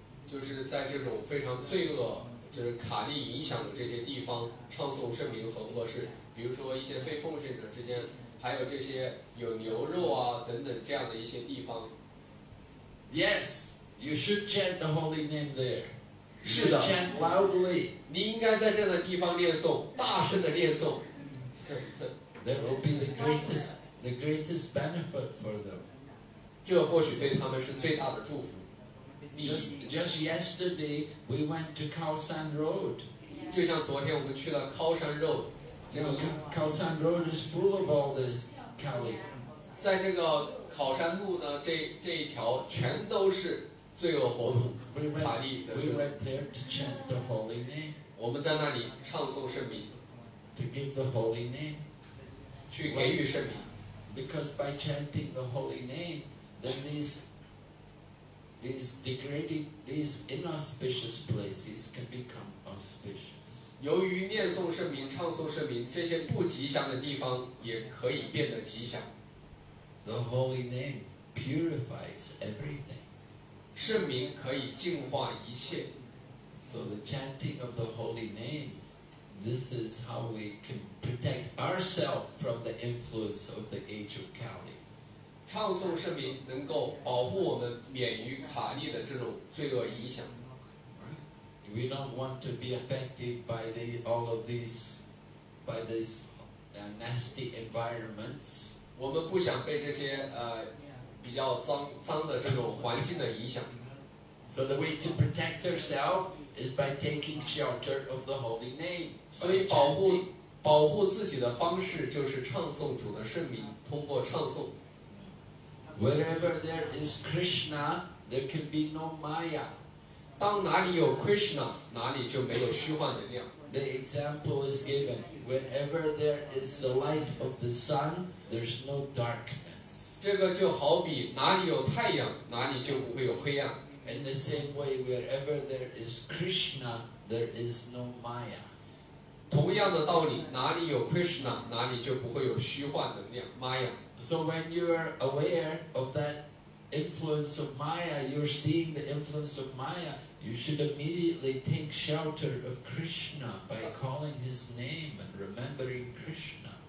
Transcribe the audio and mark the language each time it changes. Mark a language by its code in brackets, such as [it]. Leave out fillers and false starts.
[zh] 就是在这种非常罪恶，就是卡利影响的这些地方唱诵圣名合不合适？比如说一些非奉献者之间，还有这些有牛肉啊等等这样的一些地方。 [en] Yes, you should chant the holy name there. [zh] 是的。 [en] Chant loudly. [zh] 你应该在这样的地方念诵，大声的念诵。 [en] That will be the greatest benefit for them. [zh] 这或许对他们是最大的祝福。 [en] Just yesterday, we went to Khao San Road. [zh] 就像昨天我们去了 Khao San Road. [en] You know, Khao San Road is full of all this, Kelly. [zh] 在这个考山路呢，这一条全都是罪恶活动。 [en] We went there to chant the holy name. [zh] 我们在那里唱诵圣名。 [en] To give the holy name. [zh] 去给予圣名。 [en] Because by chanting the holy name, then these degraded, these inauspicious places can become auspicious. [zh] 由于念诵圣名、唱诵圣名，这些不吉祥的地方也可以变得吉祥。 [en] The holy name purifies everything. [zh] 圣名可以净化一切。 [en] So the chanting of the holy name, this is how we can protect ourselves from the influence of the age of Kali. [zh] 唱诵圣名能够保护我们免于卡利的这种罪恶影响。 [en] We don't want to be affected by all of these nasty environments. [zh] 我们不想被这些比较脏的这种环境的影响。 [en] So the way to protect ourselves is by taking shelter of the holy name. [zh] 所以保护自己的方式就是唱诵主的圣名，通过唱诵。 [en] Wherever there is Krishna, there can be no Maya. [zh] 当哪里有 Krishna, 哪里就没有虚幻能量。 [en] The example is given. Wherever there is the light of the sun, there's no darkness. [zh] 这个就好比哪里有太阳，哪里就不会有黑暗。 [en] In the same way, wherever there is Krishna, there is no Maya. [zh] 同样的道理，哪里有 Krishna, 哪里就不会有虚幻能量 ，Maya。 [en] So when you are aware of that influence of Maya, you're seeing the influence of Maya, you should immediately take shelter of Krishna by calling his name and remembering Krishna.